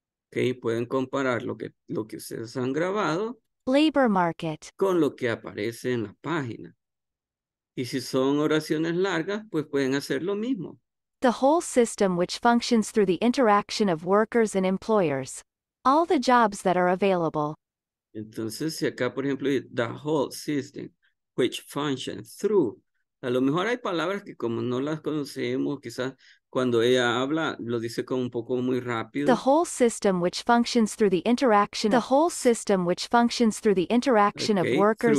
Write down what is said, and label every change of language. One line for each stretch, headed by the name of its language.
Spanish: Okay, pueden comparar lo que ustedes han grabado
English: labor market
Spanish: con lo que aparece en la página. Y si son oraciones largas, pues pueden hacer lo mismo.
English: The whole system which functions through the interaction of workers and employers. All the jobs that are available.
Spanish: Entonces, si acá, por ejemplo,
English: the whole system which functions through.
Spanish: A lo mejor hay palabras que como no las conocemos, quizás cuando ella habla, lo dice como un poco muy rápido.
English: The whole system which functions through the interaction. The whole system which functions through the interaction of workers